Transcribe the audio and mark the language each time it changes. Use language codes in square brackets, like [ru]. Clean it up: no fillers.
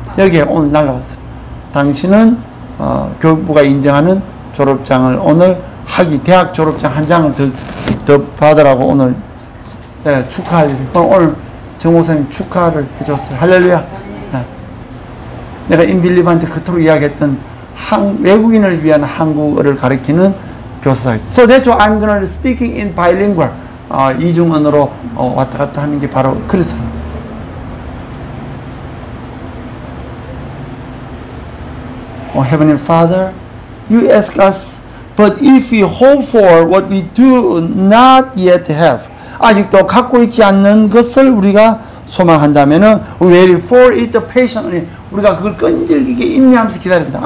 [ko] 여기 오늘 날라왔어요. 당신은 교육부가 인정하는 졸업장을 오늘 학위 대학 졸업장 한 장을 더 받으라고 오늘 네, 축하할 일이. 그럼 오늘 정호사님 축하를 해줬어요. 할렐루야. 네. 내가 인빌리브한테 그토록 이야기했던 외국인을 위한 한국어를 가르치는 교사. [en] So that's why I'm gonna speaking in bilingual. [ko] 이중언어로 왔다 갔다 하는 게 바로 그래서. [en] Oh, Heavenly Father, you ask us, but if we hope for what we do not yet have, [ko] 아직도 갖고 있지 않는 것을 우리가 소망한다면, [en] waiting for it patiently, [ko] 우리가 그걸 끈질기게 인내하면서 기다린다.